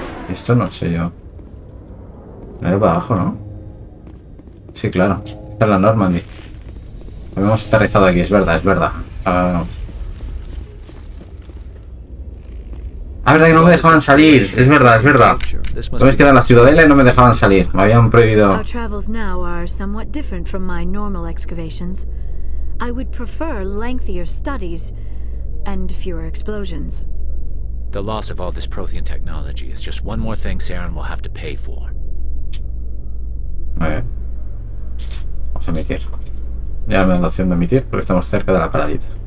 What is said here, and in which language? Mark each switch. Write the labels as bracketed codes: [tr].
[es] Esto no sé yo. A ver, para abajo, ¿no? Sí, claro. Esta es la Normandy. Habíamos aterrizado aquí, es verdad, es verdad. Ah, verdad que no me dejaban salir, es verdad, es verdad. No me quedé en la Ciudadela y no me dejaban salir, me habían prohibido. [en] Our travels now are somewhat different from my normal excavations. I would prefer lengthier studies and fewer explosions. The loss of all this Prothean technology is just one more thing Saren will have to pay for. [es] Vamos a emitir. Ya me da la opción de emitir porque estamos cerca de la paradita.